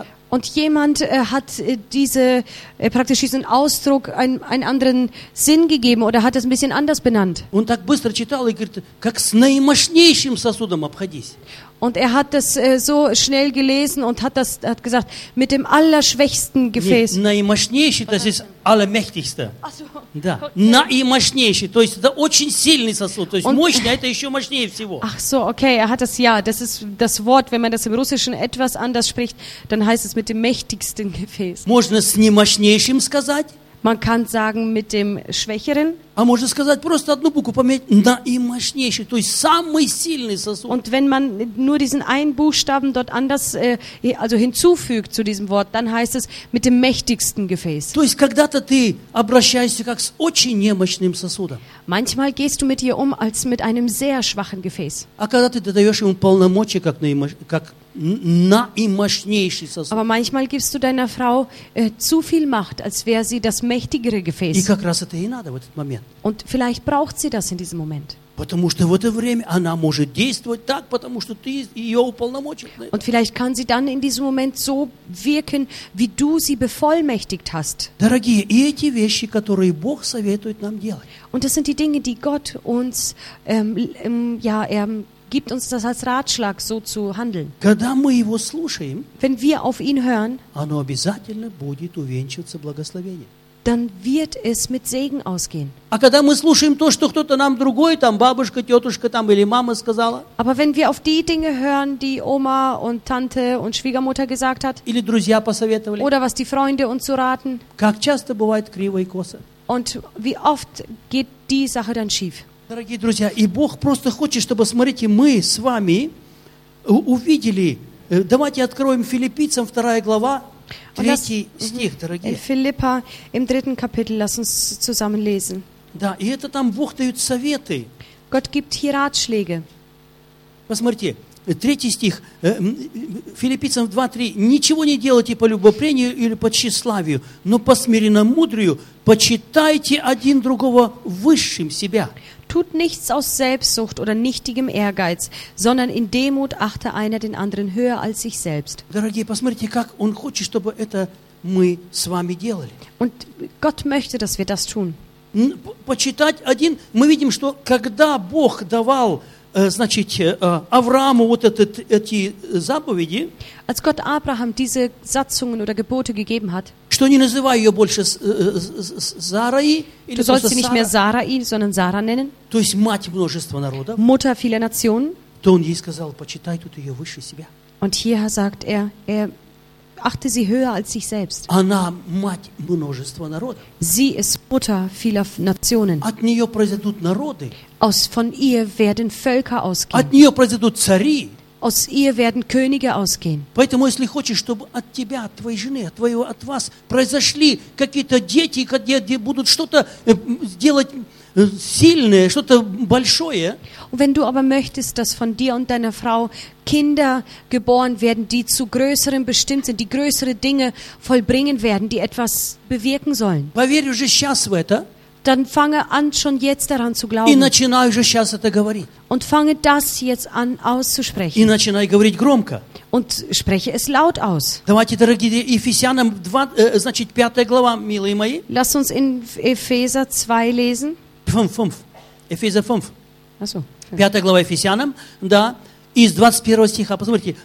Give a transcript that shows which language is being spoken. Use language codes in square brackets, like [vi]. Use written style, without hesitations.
[de] Und jemand hat diese, praktisch diesen Ausdruck einen anderen Sinn gegeben oder hat es ein bisschen anders benannt. [ru] Und так быстро читал и говорит, как с наимощнейшим сосудом обходись. [de] Und er hat das so schnell gelesen und hat das hat gesagt, mit dem allerschwächsten Gefäß. Наимощнейший, das ist allermächtigste. Also, [ru] да. Наимощнейший, то есть это очень сильный сосуд, то есть und, мощный, это еще мощнее всего. [de] Ach so, okay, er hat das, ja, das ist das Wort, wenn man das im Russischen etwas anders spricht, dann heißt es mit dem mächtigsten Gefäß. [ru] Можно с немощнейшим сказать. [de] Man kann sagen, mit dem Schwächeren. [ru] А можно сказать просто одну букву поменять на и мощнейший, то есть самый сильный сосуд. [de] Und wenn man nur diesen einen Buchstaben dort anders, also hinzufügt zu diesem Wort, dann heißt es mit dem mächtigsten Gefäß. [ru] То есть когда-то ты обращаешься как с очень немощным сосудом. [de] Manchmal gehst du mit ihr um als mit einem sehr schwachen Gefäß. [ru] А когда ты даешь ему полномочия как на и мощ... как наимощнейший сосуд. [de] Aber manchmal gibst du deiner Frau zu viel Macht, als wäre sie das mächtigere Gefäß. [ru] И как раз это ей надо в этот момент. [de] Und vielleicht braucht sie das in diesem Moment. [ru] Потому что в это время она может действовать так, потому что ты ее уполномочил. [de] Und vielleicht kann sie dann in diesem Moment so wirken, wie du sie bevollmächtigt hast. [ru] Дорогие, и эти вещи, которые Бог советует нам делать. [de] Und das sind die Dinge, die Gott uns ja, er gibt uns das als Ratschlag, so zu handeln. [ru] Когда мы его слушаем, [de] wenn wir auf ihn hören, [ru] оно обязательно будет увенчиваться благословением. [de] Dann wird es mit Segen ausgehen. [ru] А когда мы слушаем то, что кто-то нам другой, там бабушка, тетушка, там или мама сказала, [de] aber wenn wir auf die Dinge hören, die Oma und Tante und Schwiegermutter gesagt hat, [ru] или друзья посоветовали, [de] oder was die Freunde uns so raten, [ru] как часто бывает криво и косо, [de] und wie oft geht die Sache dann schief. [ru] Дорогие друзья, и Бог просто хочет, чтобы, смотрите, мы с вами увидели, давайте откроем Филиппийцам 2 глава, 3 стих, дорогие. [de] Филиппа, im 3. Kapitel, lass uns zusammen lesen. [ru] Да, и это там Бог дает советы. [de] Gott gibt hier Ratschläge. [ru] Посмотрите, 3 стих, Филиппийцам 2:3, ничего не делайте по любопрению или по тщеславию, но по смиренномудрию почитайте один другого высшим себя. [de] Tut nichts aus Selbstsucht oder nichtigem Ehrgeiz, sondern in Demut achte einer den anderen höher als sich selbst. [ru] Дорогие, посмотрите, как он хочет, чтобы это мы с вами делали. [de] Und Gott möchte, dass wir das tun. [ru] Почитать один, мы видим, что когда Бог давал, значит, Аврааму вот этот, эти заповеди, [de] als Gott Abraham diese Satzungen oder Gebote gegeben hat, [ru] что не называй ее больше Сарой, [de] du sollst sie nicht mehr Sarai, sondern Sara nennen, [ru] то есть мать множества народов, [de] Mutter vieler Nationen, [ru] то он ей сказал, почитай тут ее выше себя. [de] Und hier sagt er, er achte sie höher als sich selbst. [ru] Она мать множества народов. [de] Sie ist Mutter vieler Nationen. [ru] От нее произойдут народы. [de] Aus, von ihr werden Völker ausgehen. [ru] От нее произойдут цари. [de] Aus ihr werden Könige ausgehen. [ru] Поэтому, если хочешь, чтобы от тебя, от твоей жены, от твоего, от вас произошли какие-то дети, где будут что-то делать сильное, что-то большое. [de] Und wenn du aber möchtest, dass von dir und deiner Frau Kinder geboren werden, die zu größeren bestimmt sind, die größere Dinge vollbringen werden, die etwas bewirken sollen. [ru] Поверь уже сейчас в это. [de] Dann fange an, schon jetzt daran zu glauben. [ru] И начинай уже сейчас это говорить. [de] Und fange das jetzt an auszusprechen. [ru] И начинай говорить громко. [de] Und spreche es laut aus. [ru] Давайте, дорогие, Ефесянам 2, значит, 5 глава, милые мои. [de] Lass uns in Epheser 2 lesen. 5. Epheser 5. Achso. [ru] 5 глава Ефесянам, да, из 21 стиха. Посмотрите.